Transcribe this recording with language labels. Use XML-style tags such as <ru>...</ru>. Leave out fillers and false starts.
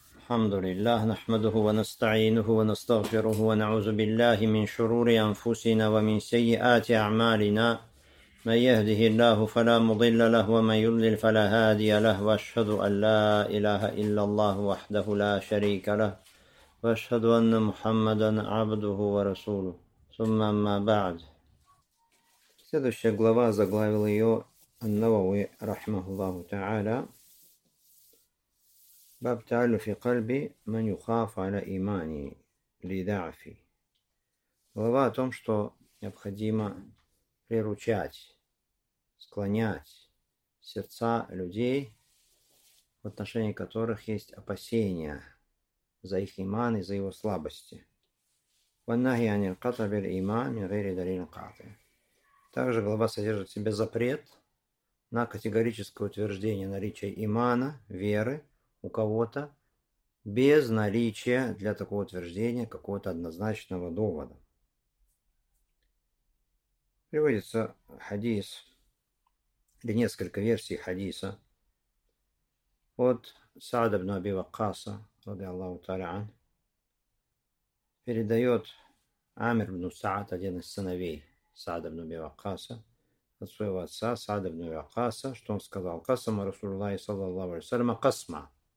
<ar>الحمد لله نحمده ونستعينه ونستغفره ونعوذ بالله من شرور أنفسنا ومن سيئات أعمالنا، من يهده الله فلا مضل له ومن يضلل فلا هادي له، وأشهد أن لا إله إلا الله وحده لا شريك له، وأشهد أن محمدا عبده ورسوله. ثم أما بعد،</ar> <ru>следующая глава заглавил ее</ru> <ar>النووي رحمه الله تعالى باب تعلو في قلبي من يخاف على إيماني لضعفي.</ar> <ru>Глава о том, что необходимо приручать, склонять сердца людей, в отношении которых есть опасения за их иман и за его слабости.</ru> <ar>والنهي عن القطع بالإيمان من غير دليل قاطع.</ar> <ru>Также глава содержит в себе запрет на категорическое утверждение наличия имана, веры, у кого-то без наличия для такого утверждения какого-то однозначного довода. Приводится хадис, или несколько версий хадиса, от Саада ибн Аби Ваккаса, ради Аллаху Тааля ан, передает Амир ибн Саад, один из сыновей Саада ибн Аби Ваккаса, от своего отца Саада ибн Аби Ваккаса, что он сказал:</ru> <ar>«Касама Расулуллахи саллаллаху алейхи ва саллям касма».</ar>